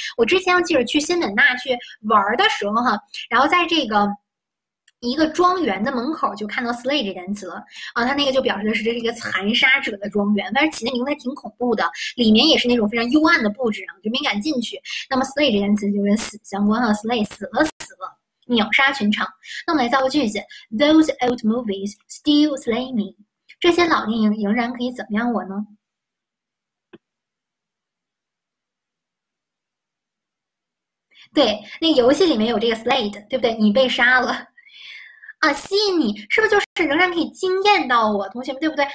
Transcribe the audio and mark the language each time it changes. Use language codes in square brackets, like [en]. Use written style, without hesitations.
[zh] 我之前记得去新美娜去玩的时候哈，然后在这个一个庄园的门口就看到 slay 这单词了啊，他那个就表示的是这是一个残杀者的庄园，但是起那名字还挺恐怖的，里面也是那种非常幽暗的布置啊，就没敢进去。那么 slay 这单词就跟死相关了，slay 死了。秒杀全场。那我们来造个句子： [en] Those old movies still slay me。 [zh] 这些老电影仍然可以怎么样我呢？对，那游戏里面有这个 slayed，对不对？你被杀了。啊，吸引你是不是就是仍然可以惊艳到我同学们，对不对？